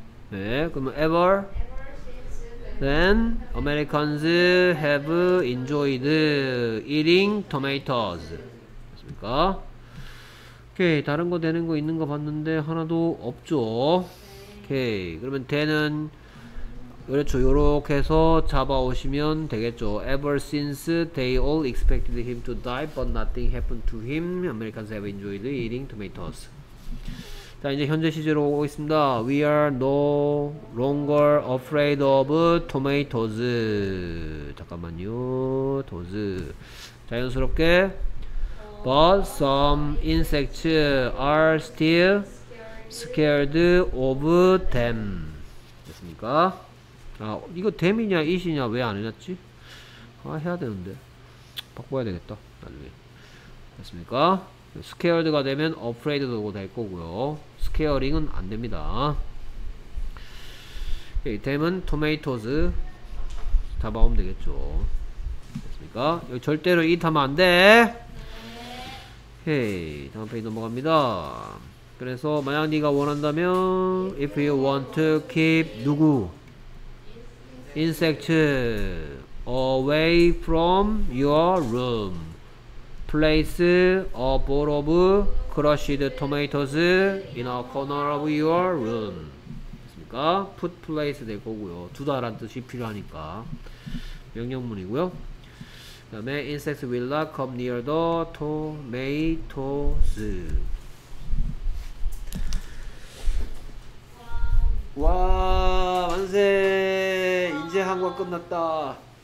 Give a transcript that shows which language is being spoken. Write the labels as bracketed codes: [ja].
[en] 네, 그러면 ever then Americans have enjoyed eating tomatoes. [ko] 맞습니까? 오케이, 다른 거 되는 거 있는 거 봤는데 하나도 없죠. 오케이, 그러면 then은 그렇죠. 요렇게 해서 잡아오시면 되겠죠. [en] Ever since they all expected him to die, but nothing happened to him. Americans have enjoyed eating tomatoes. [ko] 자, 이제 현재 시제로 오고 있습니다. [en] We are no longer afraid of tomatoes. [ko] 잠깐만요. Tomatoes. 자연스럽게. [en] But some insects are still scared of them. [ko] 됐습니까? 아, 이거 댐이냐 이시냐 왜 안 해놨지? 아, 해야 되는데 바꿔야 되겠다 나중에. 됐습니까? scared가 되면 afraid도 될 거고요. scaring은 안 됩니다. 댐은 tomatoes 잡아오면 되겠죠. 됐습니까? 여기 절대로 이 타면 안 돼. 헤이, 다음 페이지 넘어갑니다. [en] 그래서 만약 네가 원한다면 if you want to keep 누구 insect away from your room, place a bowl of crushed tomatoes in a corner of your room. [ko] 됐습니까? put place 될 거고요. 두다란 뜻이 필요하니까 명령문이고요. [en] 그 다음에 insects will not come near the tomatoes. [ko] Wow. 와, 만세! 이제 한과 끝났다.